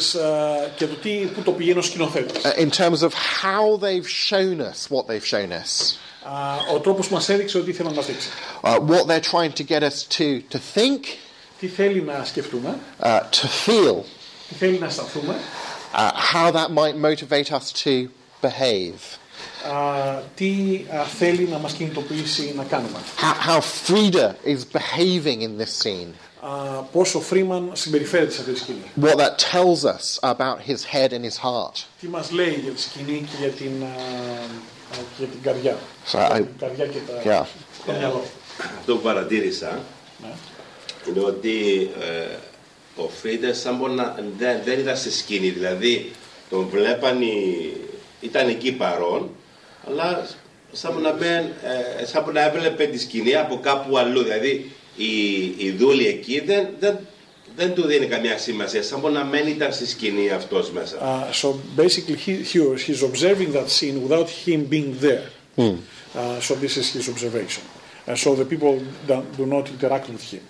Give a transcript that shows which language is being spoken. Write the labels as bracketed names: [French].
[English] In terms of how they've shown us what they've shown us. [Greek] Ο τρόπος που μας έδειξε ότι ήθελαν να μας δείξει. [English] What they're trying to get us to think. [Greek] Τι θέλει να σκεφτούμε. [English] To feel. [Greek] Τι θέλει να αισθανθούμε. [English] How that might motivate us to behave. [Greek] Τι θέλει να μας κινητοποιήσει να κάνουμε. [English] How Frida is behaving in this scene. [Greek] Πόσο Φρίμαν συμπεριφέρεται σε αυτή τη σκηνή. [English] What that tells us about his head and his heart. [Greek] Τι μας λέει για τη σκηνή και για την, και την καρδιά. [English] Sorry, [Greek] για την καρδιά και τα, [English] yeah. [Greek] Το μυαλό. Το παρατήρησα. Είναι ότι ο Φρίντερ σαν να δεν ήταν στη σκηνή, δηλαδή τον βλέπαν, ήταν εκεί παρόν, αλλά σαν να έβλεπε τη σκηνή από κάπου αλλού, δηλαδή η δούλη εκεί δεν του δίνει καμία σημασία, σαν να μην ήταν στη σκηνή αυτός μέσα. [English] So basically he's observing that scene without him being there. So this is his observation. So the people do not interact with him.